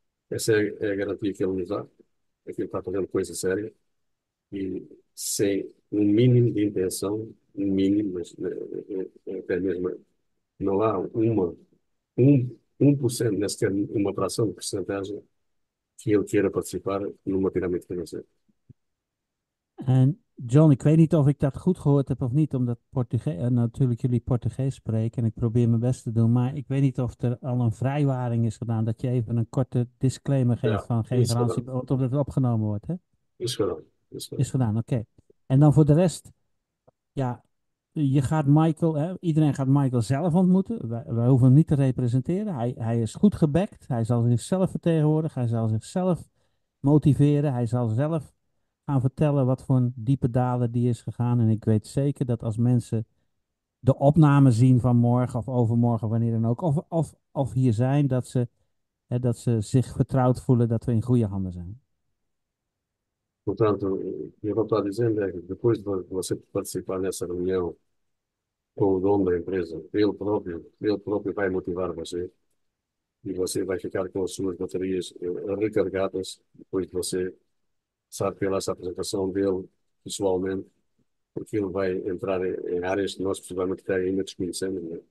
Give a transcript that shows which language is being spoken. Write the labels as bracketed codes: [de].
[pt] Essa é a garantia que ele nos dá, é que ele está fazendo coisa séria e sem um mínimo de intenção, um mínimo, mas até mesmo não há 1%, nem sequer uma fração de percentagem que ele queira participar numa pirâmide financeira. [nl] En John, ik weet niet of ik dat goed gehoord heb of niet, omdat natuurlijk jullie Portugees spreken en ik probeer mijn best te doen, maar ik weet niet of er al een vrijwaring is gedaan dat je even een korte disclaimer geeft Ja, van geen is garantie of dat het opgenomen wordt, hè? Is gedaan. Is gedaan. Is gedaan, oké. En dan voor de rest, ja, je gaat Michael, hè, iedereen gaat Michael zelf ontmoeten. Wij hoeven hem niet te representeren. Hij is goed gebackt, hij zal zichzelf vertegenwoordigen, hij zal zichzelf motiveren, hij zal zelf gaan vertellen wat voor een diepe dalen die is gegaan. En ik weet zeker dat als mensen de opname zien van morgen of overmorgen, wanneer dan ook, of hier zijn, dat ze, hè, dat ze zich vertrouwd voelen dat we in goede handen zijn. [pt] Portanto, o que eu estou a dizer é que depois de você participar nessa reunião com o dono da empresa, ele próprio vai motivar você e você vai ficar com as suas baterias recarregadas depois de você sabe pela essa apresentação dele pessoalmente, porque ele vai entrar em áreas que nós possivelmente ainda desconhecemos, né?